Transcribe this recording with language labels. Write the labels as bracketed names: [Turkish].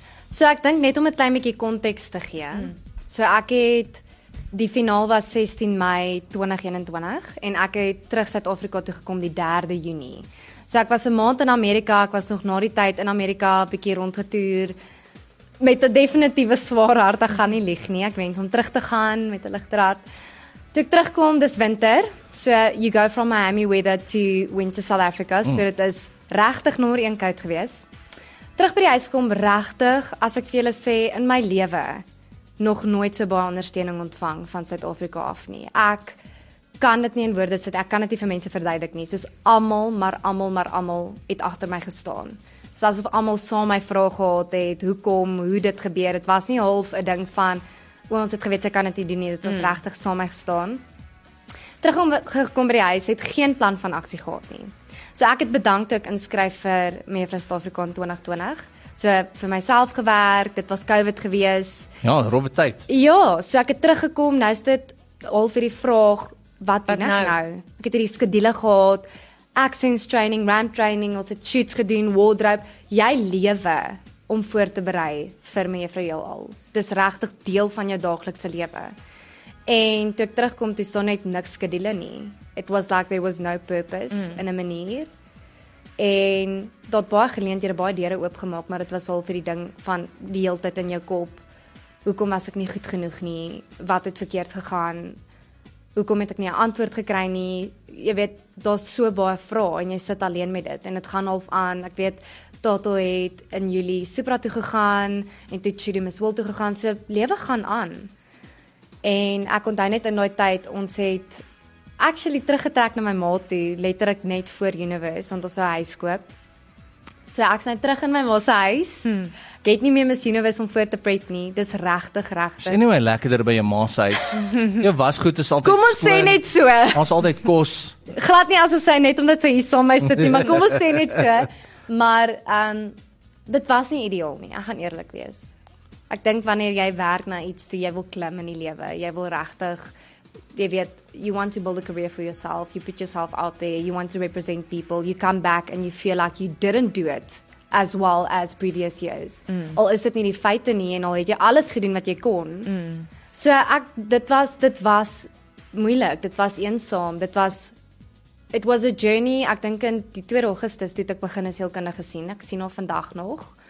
[Afrikaans] So ek dink net om 'n klein bietjie konteks te gee. So ek het die finaal was 16 Mei 2021 en ek het terug Suid-Afrika toe gekom die 3de Junie. So ek was 'n maand in Amerika, ek was nog na die tyd in Amerika 'n bietjie rondgetoer met 'n definitiewe swaar hart, ek gaan nie lieg nie, ek wens om terug te gaan met 'n ligter hart. Toe ek terugkom dis winter. [English] So you go from Miami weather to winter South Africa. [Afrikaans] So dit is regtig nommer 1 koud gewees. Terug by die huis kom regtig, as ek vir julle sê, in my lewe nog nooit so baie ondersteuning ontvang van Suid-Afrika af nie. Ek kan dit nie in woorde sit. Ek kan dit nie vir mense verduidelik nie. Soos almal, maar almal, maar almal het agter my gestaan. Dit was asof almal saam my vrae gehad het, hoekom, hoe dit gebeur. Dit was nie half 'n ding van ons het geweet sy kan dit nie doen nie. Dit was regtig saam my gestaan. Terug om gekom by die huis het geen plan van aksie gehad nie. So ek het bedank toe ek inskryf vir Mevrou Suid-Afrika in 2020. So vir myself gewerk, dit was COVID gewees. Ja, rowwe tyd. Ja, so ek het teruggekom, nou is dit half vir die vraag, wat doen ek nou? Ek het hierdie skedule gehad, accents training, ramp training, ons het shoots gedoen, wardrobe. Jy lewe om voor te berei vir Mevrou heelal. Dit is regtig deel van jou daaglikse lewe. En toe ek terugkom, toe staan net niks skedule nie. [English] It was like there was no purpose in a manier. [Afrikaans] En dat baie geleenthede baie deure oopgemaak, maar dit was al vir die ding van die hele tyd in jou kop. Hoekom was ek nie goed genoeg nie? Wat het verkeerd gegaan? Hoekom het ek nie 'n antwoord gekry nie? Jy weet, daar's so baie vrae en jy sit alleen met dit en dit gaan half aan. Ek weet Toto het in Julie Supra toe gegaan en toe Chidi Miss World toe gegaan. So lewe gaan aan. En ek onthou net in daai tyd ons het actually teruggetrek na my ma toe, letterlik net voor Universe, want ons wou 'n huis koop. So ek sny terug in my ma se huis. Ek het nie meer Miss Universe om voor te prep nie. Dis regtig, regtig. Sien anyway, lekkerder by jou ma se huis. Jou wasgoed is altyd kom ons sê net so. Ons altyd kos. Glad nie asof sy net omdat sy hier saam my sit nie, maar kom ons sê net so. Maar dit was nie ideaal nie, ek gaan eerlik wees. Ek dink wanneer jy werk na iets toe, jy wil klim in die lewe, jy wil regtig... Jy weet, [English] you want to build a career for yourself, you put yourself out there, you want to represent people, you come back and you feel like you didn't do it as well as previous years. [Afrikaans] Al is dit nie die feite nie en al het jy alles gedoen wat jy kon. So ek, dit was moeilik, dit was eensaam, [English] it was a journey. [Afrikaans] Ek dink in die 2 Augustus toe ek begin as heelkundige sien, ek sien al vandag nog.